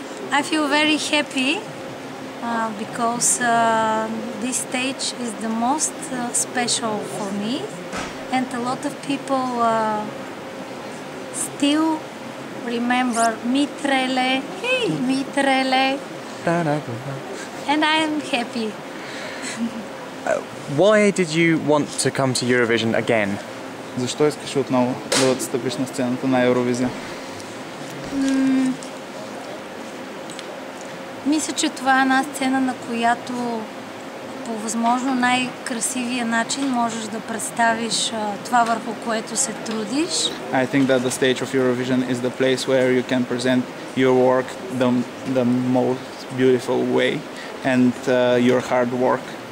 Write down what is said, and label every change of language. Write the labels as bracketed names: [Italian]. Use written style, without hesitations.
[English] I feel very happy because this stage is the most special for me, and a lot of people still remember Mitrele. Hey, Mitrele. And I am happy. Why did you want to come to Eurovision again? [Bulgarian] Защо искаш отново да отстъпиш на сцената на Евровизия? Мисля, че това е една сцена, на която по възможно най-красивия начин можеш да представиш това, върху което се трудиш. [English] I think that the stage of Eurovision is the place where you can present your work the most beautiful way and your hard work.